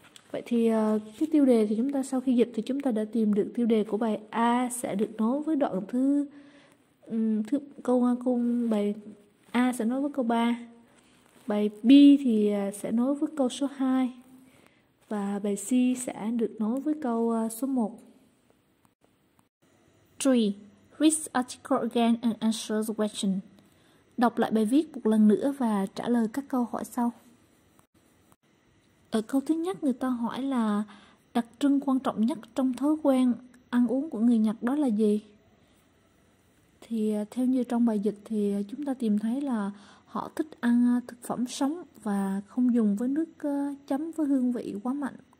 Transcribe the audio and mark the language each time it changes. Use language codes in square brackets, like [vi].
[vi] Vậy thì cái tiêu đề thì chúng ta sau khi dịch thì chúng ta đã tìm được tiêu đề của bài A sẽ được nối với đoạn thứ thứ câu cung bài A sẽ nối với câu 3. Bài B thì sẽ nối với câu số 2 và bài C sẽ được nối với câu số 1. 3. [en] Read the article again and answer the question. [vi] Đọc lại bài viết một lần nữa và trả lời các câu hỏi sau. Ở câu thứ nhất, người ta hỏi là đặc trưng quan trọng nhất trong thói quen ăn uống của người Nhật đó là gì? Thì theo như trong bài dịch thì chúng ta tìm thấy là họ thích ăn thực phẩm sống và không dùng với nước chấm với hương vị quá mạnh.